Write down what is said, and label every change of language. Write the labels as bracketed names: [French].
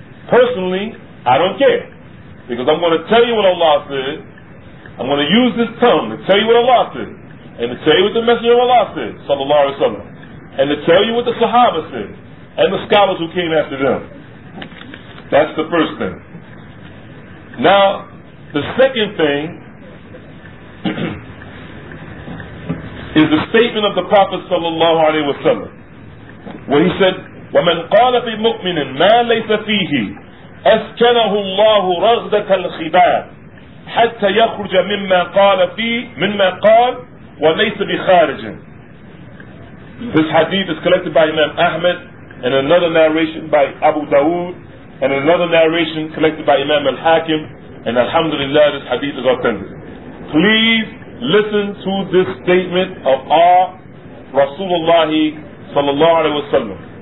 [English] Personally, I don't care. Because I'm going to tell you what Allah said. I'm going to use this tongue to tell you what Allah said. And to tell you what the Messenger of Allah said, sallallahu alaihi wasallam. And to tell you what the Sahaba said, and the scholars who came after them. That's the first thing. Now, the second thing is the statement of the Prophet sallallahu alaihi wasallam, where he said, [Arabic] وَمَنْ قَالَ فِي مُؤْمِنٍ مَا لَيْسَ فِيهِ أَسْكَنَهُ اللَّهُ رَغْدَةَ الْخِبَابِ حَتَّى يَخْرُجَ مِمَّا قَالَ فِيهِ مِمَّا قَالَ وَلَيْسَ بِخَارِجٍ. [English] This hadith is collected by Imam Ahmad, and another narration by Abu Dawood, and another narration collected by Imam Al-Hakim, and alhamdulillah, this hadith is authentic. Please listen to this statement of our Rasulullah sallallahu alayhi wa sallam.